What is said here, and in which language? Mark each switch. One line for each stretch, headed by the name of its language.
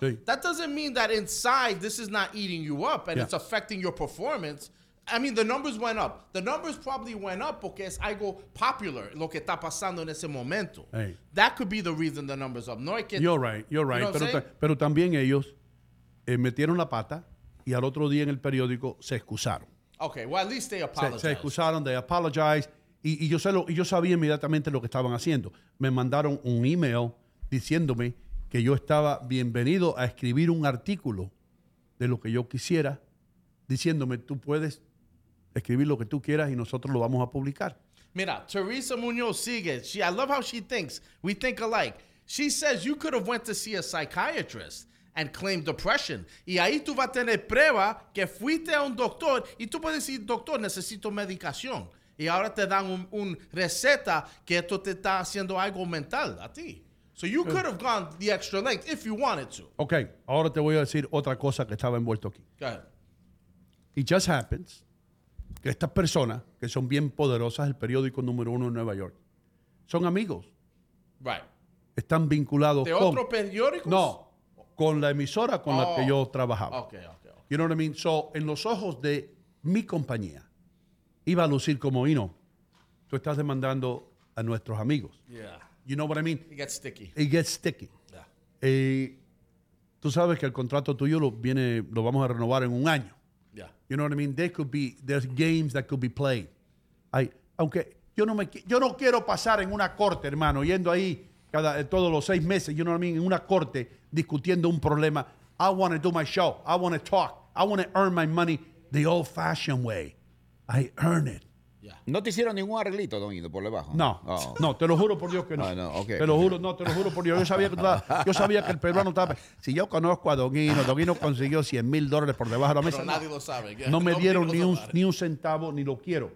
Spanish: Sí.
English: That doesn't mean that inside, this is not eating you up and it's affecting your performance. I mean, the numbers went up. The numbers probably went up
Spanish: porque es algo popular lo que está pasando en ese momento.
English: Hey. That could be the reason the numbers up. No, you're right, you're right. You know what
Spanish: pero,
English: I'm saying?
Spanish: Pero también ellos metieron la pata. Y al otro día en el periódico se excusaron.
English: Ok, well, at least they apologized.
Spanish: Se excusaron,
English: they apologized.
Spanish: Y yo sabía inmediatamente lo que estaban haciendo. Me mandaron un email diciéndome que yo estaba bienvenido a escribir un artículo de lo que yo quisiera, diciéndome, tú puedes escribir lo que tú quieras y nosotros lo vamos a publicar. Mira, Teresa Muñoz sigue.
English: She, I love how she thinks. We think alike. She says you could have went to see a psychiatrist and claimed depression.
Spanish: Y ahí tú vas a tener prueba que fuiste a un doctor y tú puedes decir, doctor, necesito medicación. Y ahora te dan un receta que esto te está haciendo algo mental a ti.
English: So you could have gone the extra length if you wanted to.
Spanish: Okay, ahora te voy a decir otra cosa que estaba envuelto aquí.
English: Go ahead. It just happens
Spanish: que estas personas, que son bien poderosas, el periódico número uno en Nueva York, son amigos.
English: Right.
Spanish: Están vinculados ¿de con... ¿De otro periódico? No, con la emisora con la que yo trabajaba.
English: Okay, okay, okay. You know what I mean?
Spanish: So, en los ojos de mi compañía, iba a lucir como, Hino, tú estás demandando a nuestros amigos.
English: Yeah. You know what I mean? It gets sticky. It gets sticky. Yeah.
Spanish: Y tú sabes que el contrato tuyo lo vamos a renovar en un año.
English: Yeah. You know what I mean? There could be, there's games that could be played.
Spanish: Aunque yo no quiero pasar en una corte, hermano, yendo ahí todos los seis meses,
English: you know what I mean,
Spanish: en una corte discutiendo un problema.
English: I want to do my show. I want to talk. I want to earn my money the old-fashioned way. I earn it. Yeah.
Spanish: ¿No te hicieron ningún arreglito, Don Hino, por debajo? No, no, te lo juro por Dios que no.
English: Okay.
Spanish: Te lo juro, no, te lo juro por Dios. Yo sabía que el peruano estaba... Si yo conozco a Don Hino consiguió $100,000 por debajo de la mesa. Pero nadie lo sabe.
English: Yeah.
Spanish: No me dieron ni un centavo, ni lo quiero.